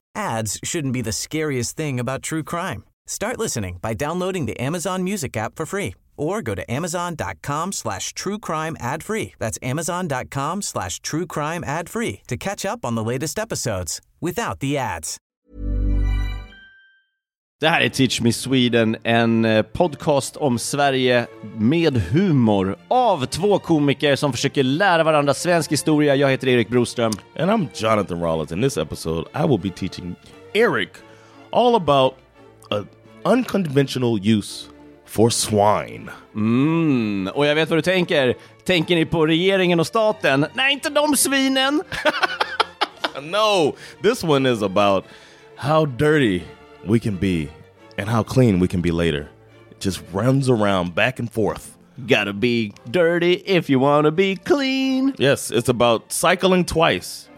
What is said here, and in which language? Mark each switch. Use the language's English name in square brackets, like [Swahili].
[English] Ads shouldn't be the scariest thing about true crime. Start listening by downloading the Amazon Music app for free or go to amazon.com/truecrimeadfree. That's amazon.com/truecrimeadfree to catch up on the latest episodes without the ads. [Swedish] Det här är Teach Me Sweden, en podcast om Sverige med humor av två komiker som försöker lära varandra svensk historia. Jag heter Erik Broström. [English] And I'm Jonathan Rollins. In this episode, I will be teaching Eric all about an unconventional use for swine. [Swedish] Mm, och jag vet vad du tänker. Tänker ni på regeringen och staten? Nej, inte de svinen! [English] No, this one is about how dirty we can be and how clean we can be later. It just runs around back and forth. Gotta be dirty if you wanna be clean. Yes, it's about cycling twice.